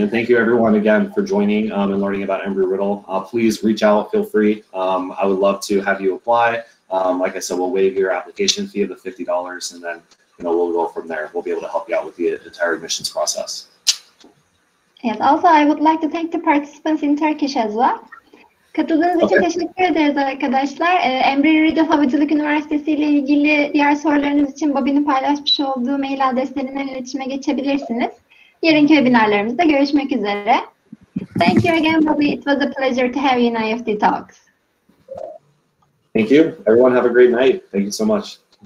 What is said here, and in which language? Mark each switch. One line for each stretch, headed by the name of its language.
English: And thank you, everyone, again, for joining and learning about Embry-Riddle. Please reach out. Feel free. I would love to have you apply. Like I said, we'll waive your application fee of the $50, and then, you know, we'll go from there. We'll be able to help you out with the entire admissions process. And also, I would like to thank the participants in Turkish as well.
Turkish: Katıldığınız için teşekkür ederiz arkadaşlar. Embry-Riddle Havacılık Üniversitesi ile ilgili diğer sorularınız için Bobby'nin paylaşmış olduğu mail adreslerinden iletişime geçebilirsiniz. Yarınki webinarlarımızda görüşmek üzere.
English: Thank you again,
Turkish: Bobby.
English: It was a pleasure to have you in IEFT Talks. Thank you. Everyone have a great night. Thank you so much.